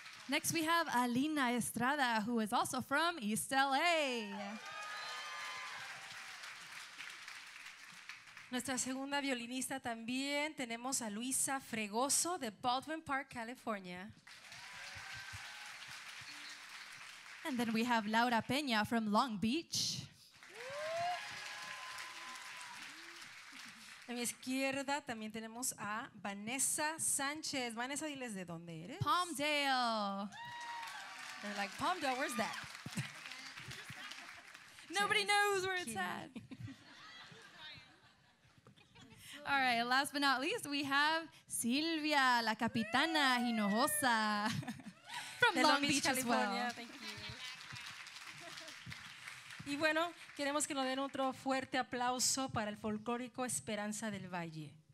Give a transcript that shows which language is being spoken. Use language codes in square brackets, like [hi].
[en] Next we have Alina Estrada, who is also from East LA. [es] Nuestra segunda violinista también tenemos a Luisa Fregoso de Baldwin Park, California. [en] And then we have Laura Peña from Long Beach. [es] A mi izquierda también tenemos a Vanessa Sánchez. Vanessa, diles de dónde eres. [en] Palmdale. They're like, Palmdale, where's that? Nobody knows where it's at. All right, last but not least, we have Silvia, [es] la capitana [en] Hinojosa from Long Beach, California. As well. Thank you. [es] Y bueno, queremos que nos den otro fuerte aplauso para el folclórico Esperanza del Valle.